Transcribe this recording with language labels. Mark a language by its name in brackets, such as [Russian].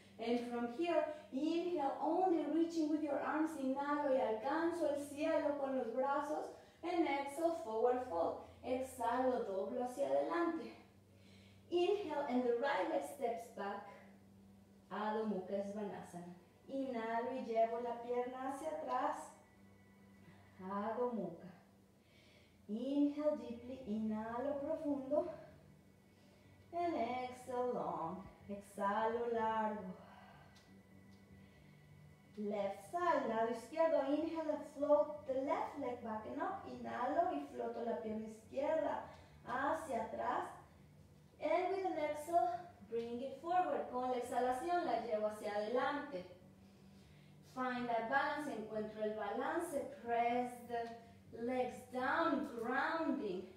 [English] And from here, inhale, only reaching with your arms. [Spanish] Inhalo y alcanzo el cielo con los brazos. [English] And exhale, forward fold. [Spanish] Exhalo, doblo hacia adelante. [English] Inhale, and the right leg steps back. Adho Mukha Svanasana. [Spanish] Inhalo y llevo la pierna hacia atrás. Adho Mukha. [English] Inhale deeply, [Spanish] inhalo profundo, [English] and exhale long, [Spanish] Exhalo largo. [English] Left side, [Spanish] lado izquierdo. [English] Inhale and float the left leg back and up. [Spanish] Inhalo y floto la pierna izquierda hacia atrás. [English] And with an exhale, bring it forward. [Spanish] Con la exhalación la llevo hacia adelante. [English] Find that balance, [Spanish] encuentro el balance. [English] Press the legs down, grounding.